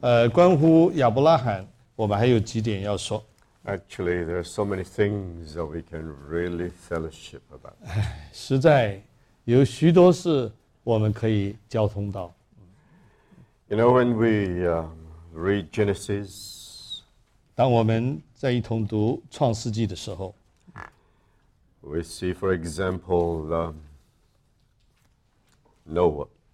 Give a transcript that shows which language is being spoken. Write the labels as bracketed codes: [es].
[zh] 关乎亚伯拉罕，我们还有几点要说。 [en] Actually, there are so many things that we can really fellowship about. [zh] 实在有许多事我们可以交通到。 [en] You know, when we read Genesis, [zh] 当我们在一同读创世纪的时候， [en] we see, for example, Noah.